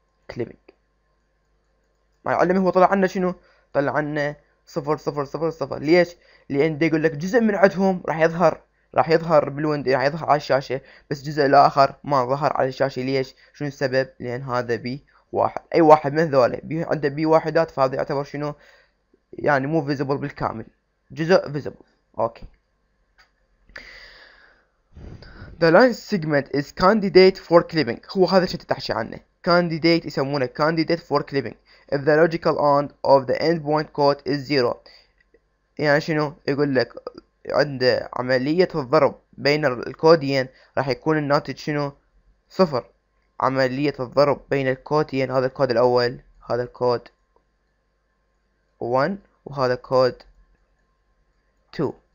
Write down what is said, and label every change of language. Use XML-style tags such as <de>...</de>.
<ar>كليبنج، ما يعلم هو طلع عنا شنو؟ طلع عنا صفر صفر صفر صفر، ليش؟ لأن دي يقول لك جزء من عندهم راح يظهر بالويندو، راح يظهر على الشاشة، بس جزء الآخر ما ظهر على الشاشة، ليش؟ شنو السبب؟ لأن هذا بي واحد، أي واحد من ذولا بي عنده بي واحدات فهذا يعتبر شنو؟ يعني مو فيزبل بالكامل. جزء visible.</ar> <en>Okay. The line segment is candidate for clipping.</en> <ar>هو هذا الشيء تتحشى عنه.</ar> <en>Candidate</en> <ar>يسمونه</ar> <en>candidate for clipping. If the logical end of the endpoint code is zero.</en> <ar>يعني شنو؟ يقول لك عند عملية الضرب بين الكودين راح يكون الناتج شنو؟ صفر. عملية الضرب بين الكودين، هذا الكود الأول، هذا الكود 1 وهذا الكود 2.</ar>